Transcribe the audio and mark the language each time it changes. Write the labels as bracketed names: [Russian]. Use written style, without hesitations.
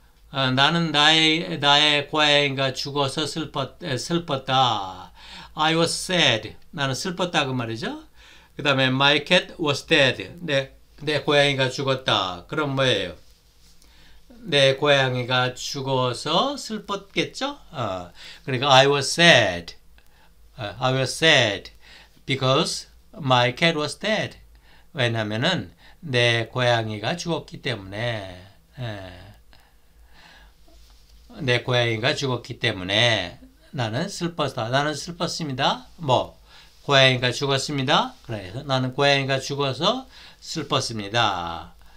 [Korean] 나는 나의 고양이가 죽어서 슬펐다. [English] I was sad. [Korean] 나는 슬펐다 그 말이죠. 그 다음에 [English] my cat was dead. [Korean] 내 고양이가 죽었다. 그럼 뭐예요? 내 고양이가 죽어서 슬펐겠죠? 그러니까 [English] I was sad. I was sad because my cat was dead. [Korean] 왜냐면은 내 고양이가 죽었기 때문에. 내 고양이가 죽었기 때문에 나는 슬펐다. 나는 슬펐습니다. 뭐 고양이가 죽었습니다. 그래서 나는 고양이가 죽어서 슬펐습니다.